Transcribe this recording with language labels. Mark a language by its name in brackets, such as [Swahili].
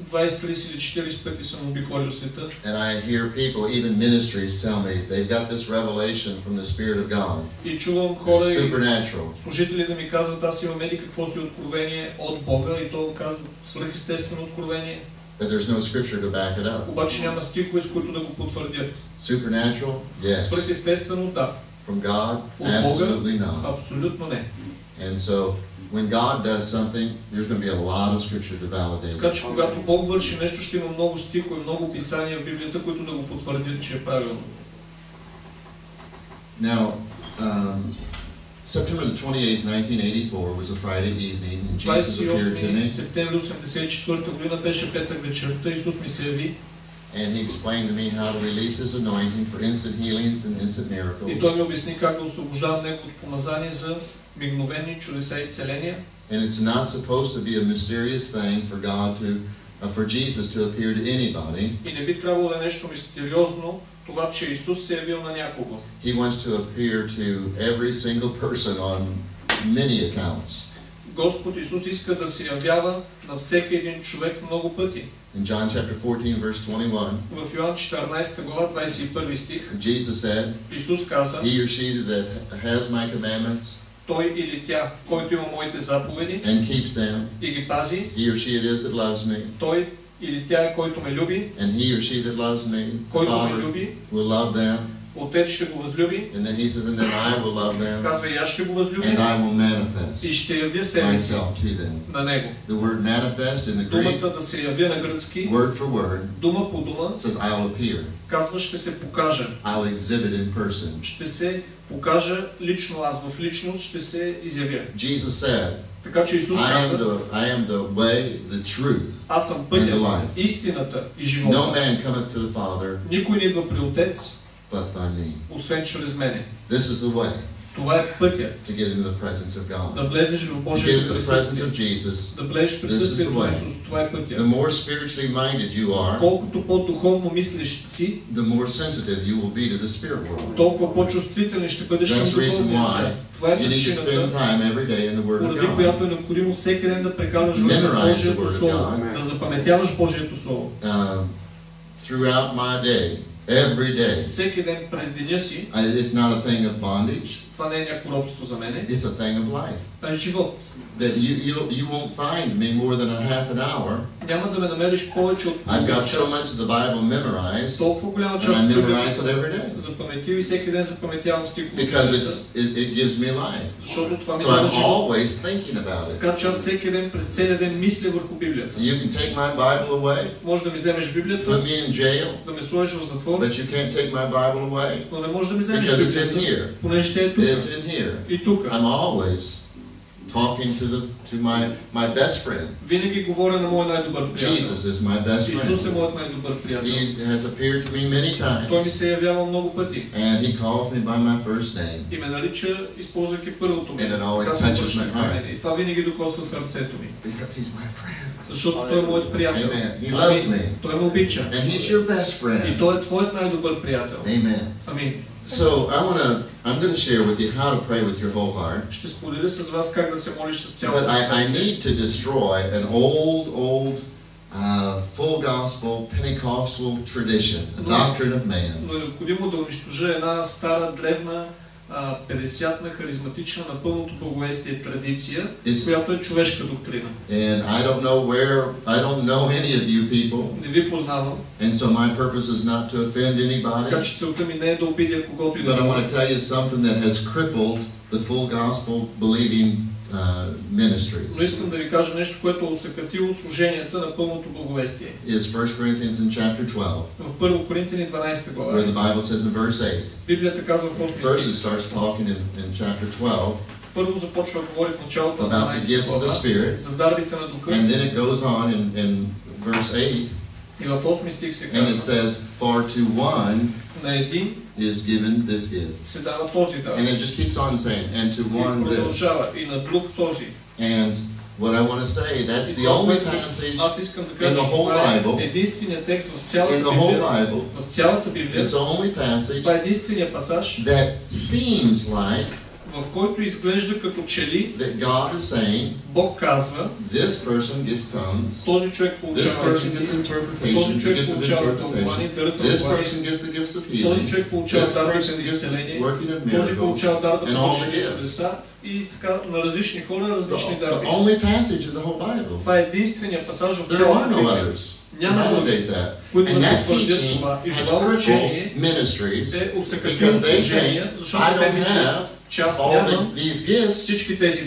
[Bulgarian] 20, 30 или 40 пъти съм обиколил света. [English] And I hear people, even ministries, tell me they've got this revelation from the Spirit of God. [Bulgarian] И чувам хора, [English] supernatural. [Bulgarian] Служители да ми казват, аз имам какво си откровение от Бога и то казва свръхестествено откровение. [English] But there's no scripture to back it up. [Bulgarian] Обаче няма стихове, с които да го потвърдят. [English] Supernatural? Yes. [Bulgarian] Свръхестествено, да. [English] From God? [Bulgarian] От Бога? [English] Absolutely not. [Bulgarian] Абсолютно не. [English] And so when God does something, there's going to be a lot of scripture to validate it. [Bulgarian] Така че когато Бог върши нещо, ще има много стихове, много писания в Библията, които да го потвърдят, че е правилно. [English] Now, September the 28th, 1984 was a Friday evening, and Jesus appeared to me. [Bulgarian] Исус ми се яви. [English] And he explained to me how to release his anointing for instant healings and instant miracles. [Bulgarian] И той ми обясни как да освобождавам неговото помазание за мигновени чудеса и изцеления. [English] And it's not supposed to be a mysterious thing for God to, for Jesus to appear to anybody. [Bulgarian] И не би трябвало да е нещо мистериозно това, че Исус се явил на някого. [English] He wants to appear to every single person on many accounts. [Bulgarian] Господ Исус иска да се явява на всеки един човек много пъти. [English] In John chapter 14, verse 21, [Bulgarian] в Йоан 14 глава 21 стих, [English] Jesus said, [Bulgarian] Исус каза, [English] he or she that has my commandments, [Bulgarian] той или тя, който има моите заповеди [English] and keeps them, [Bulgarian] и ги пази, [English] he or she it is that loves me, [Bulgarian] той или тя, който ме люби, [English] and he or she that loves me, [Bulgarian] който ме люби, [English] will love them, [Bulgarian] Отец ще го възлюби, [English] and then he says, and then I will love them, [Bulgarian] казва, и аз ще го възлюби, [English] and I will manifest [Bulgarian] и ще явя себе [English] myself to them. [Bulgarian] На него. [English] The word manifest in the Greek, [Bulgarian] думата да се явя на гръцки, [English] word for word, [Bulgarian] дума по дума, [English] says, I'll appear. [Bulgarian] Казва, ще се покажа, [English] I'll exhibit in person. [Bulgarian] Ще се покажа лично аз, в личност ще се изявя. [English] Jesus said, [Bulgarian] така че Исус каза, [English] I am the way, the truth, [Bulgarian] аз съм пътя, истината и живота. [English] No man cometh to the Father, [Bulgarian] никой не идва при Отец, [English] but by me. [Bulgarian] Освен чрез мене. [English] This is the way, [Bulgarian] това е пътя, [English] to get into the presence of God, [Bulgarian] да влезеш в Божието присъствие, да влезеш в присъствието на Исус. Това е пътя. [English] The more spiritually minded you are, [Bulgarian] колкото по-духовно мислиш си, [English] the more sensitive you will be to the spirit world. [Bulgarian] Толкова по-чувствителен ще бъдеш към духовния свят. Това е причината, поради която е необходимо всеки ден да прекараш време в Божието Слово, да запаметяваш Божието Слово. [English] Throughout my day, every day, [Bulgarian] всеки ден през деня си, [English] it's not a thing of bondage, [Bulgarian] това не е някакво робство за мене, [English] it's a thing of life, [Bulgarian] а е живот. [English] That you won't find me more than a half an hour, [Bulgarian] няма да ме намериш повече от [English] I've got so much of the Bible memorized, [Bulgarian] толкова голяма част, [English] and I memorize it every day, [Bulgarian] запаметил и всеки ден запаметявам стихове, [English] because it's, it gives me life, [Bulgarian] защото това ми дава живот. [English] So I'm always thinking about it, [Bulgarian] така че аз всеки ден през целия ден мисля върху Библията. [English] You can take my Bible away, [Bulgarian] може да ми вземеш Библията, [English] put me in jail, [Bulgarian] да ме сложиш в затвор, [English] but you can't take my Bible away, [Bulgarian] но не може да ми вземеш Библията, понеже тя е тук, [English] it's in here, [Bulgarian] и тук. [English] I'm always talking to the to my best friend. [Bulgarian] Винаги говоря на моя най-добър приятел. [English] Jesus is my best friend. [Bulgarian] Исус е моят най-добър приятел. [English] He has appeared to me many times. [Bulgarian] Той ми се явявал много пъти. [English] And he calls me by my first name. [Bulgarian] И ме нарича, използвайки първото ми. [English] And it always touches my heart. [Bulgarian] И това винаги докосва сърцето ми. [English] Because he's my friend. [Bulgarian] Защото той е моят приятел. [English] Amen. He loves me. [Bulgarian] Той ме обича. [English] And he's your best friend. [Bulgarian] И той е твоят най-добър приятел. [English] Amen. [Bulgarian] Амин. [English] So I'm going to share with you how to pray with your whole heart. [Bulgarian] Ще споделя с вас как да се молиш с цялото сърце. [English] But I need to destroy an old full gospel Pentecostal tradition, a doctrine of man. [Bulgarian] Но е необходимо да унищожа една стара древна педесятна харизматична на пълното благовестие традиция, която е човешка доктрина. [English] And I don't know where, I don't know any of you people. [Bulgarian] Не ви познавам. [English] And so my purpose is not to offend anybody. [Bulgarian] Така че целта ми не е да обидя когото и да. [English] But I want to tell you something that has crippled the full gospel believing ministries. [Bulgarian] Но искам да ви кажа нещо, което е осъкатило служенията на пълното благовестие. [English] Is 1 Corinthians in chapter 12. [Bulgarian] В 1 Коринтяни 12 глава. [English] Where the Bible says in verse 8. [Bulgarian] Библията казва в 8 стих. [English] First it starts talking in chapter 12. [Bulgarian] Първо започва да говори в началото на 12 глава. [English] About the gifts of the Spirit. [Bulgarian] За дарбите на Духа. [English] And then it goes on in verse 8. [Bulgarian] И в 8 стих се казва. [English] And it says, for to one, [Bulgarian] на един, [English] is given this gift. [Bulgarian] Се дава този дар. [English] And it just keeps on saying, and to one this. [Bulgarian] И продължава, и на друг този. [English] And What I want to say, that's the only passage in the whole Bible. In the whole Bible, it's the only passage that seems like that God is saying, this person gets tongues, this person gets interpretations, this person gets the gifts of healing, this person gets the working of miracles, and all the gifts. [Bulgarian] И така на различни хора, различни дарби. [English] The only passage in the whole Bible. [Bulgarian] Това е единствения пасаж в цялата Библия. Няма други, които да потвърдят това. И това учение се усъкътя в служение, защото те мислят, че аз нямам всички тези